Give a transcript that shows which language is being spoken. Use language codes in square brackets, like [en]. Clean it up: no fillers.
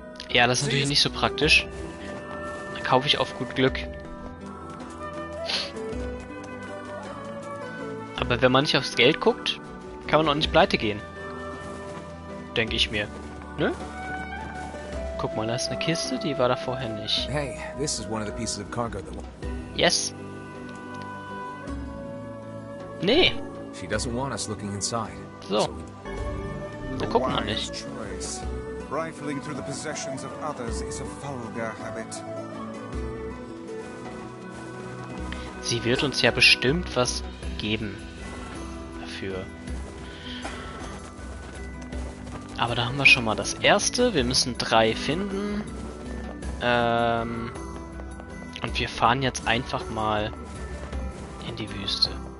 [de] Ja, das ist natürlich nicht so praktisch. Da kaufe ich auf gut Glück. Aber wenn man nicht aufs Geld guckt, kann man auch nicht pleite gehen. Denke ich mir. Ne? Guck mal, da ist eine Kiste, die war da vorher nicht. [en] Hey, this is one of the pieces of cargo that... Yes. [de] Nee. [en] She doesn't want us looking inside. [de] So. Da guckt man nicht. [en] Rifling through the possessions of others is a vulgar habit. [de] Sie wird uns ja bestimmt was geben dafür. Aber da haben wir schon mal das erste. Wir müssen drei finden. Und wir fahren jetzt einfach mal in die Wüste.